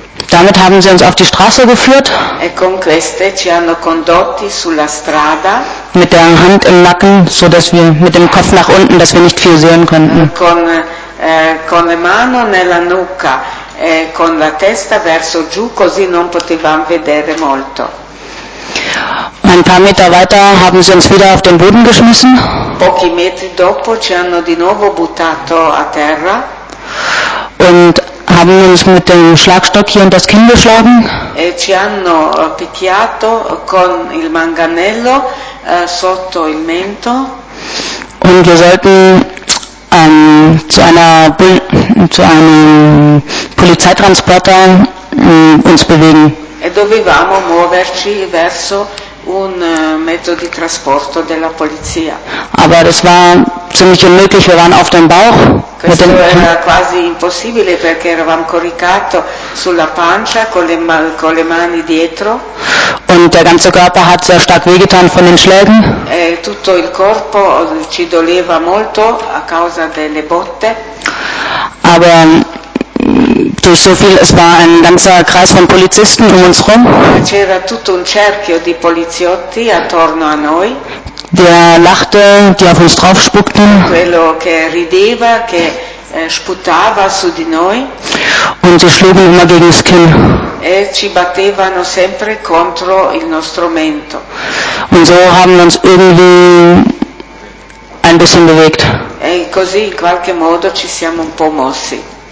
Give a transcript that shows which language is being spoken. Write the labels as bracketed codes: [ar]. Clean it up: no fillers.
[de] Damit haben sie uns auf die Straße geführt. [it] E con queste ci hanno condotti sulla strada. [de] Mit der Hand im Nacken, so dass wir mit dem Kopf nach unten, dass wir nicht viel sehen konnten. [it] Con le mano nella nuca e con la testa verso giù, così non potevamo vedere molto. [de] Ein paar Meter weiter haben sie uns wieder auf den Boden geschmissen. [it] Pochi metri dopo ci hanno di nuovo buttato a terra. [de] Und haben uns mit dem Schlagstock hier unter das Kinn geschlagen. [it] E ci hanno picchiato con il manganello sotto il mento. [de] Und wir sollten zu einem Polizeitransporter uns bewegen. [it] E dovevamo muoverci verso un mezzo di trasporto della polizia. [de] Aber das war ziemlich unmöglich, wir waren auf dem Bauch. [it] Questo era quasi impossibile perché eravamo coricato sulla pancia con le mani dietro. [de] Und der ganze Körper hat sehr stark wehgetan von den Schlägen. [it] E tutto il corpo ci doleva molto a causa delle botte. [de] Aber durch so viel, es war ein ganzer Kreis von Polizisten um uns rum. [it] C'era tutto un cerchio di poliziotti attorno a noi. [de] Der lachte, die auf uns drauf spuckten. [it] Quello che rideva, che sputava su di noi. [de] Und sie schlugen immer gegen das Kinn. [it] E ci battevano sempre contro il nostro mento. [de] Und so haben wir uns irgendwie ein bisschen bewegt. [it] E così in qualche modo ci siamo un po' mossi.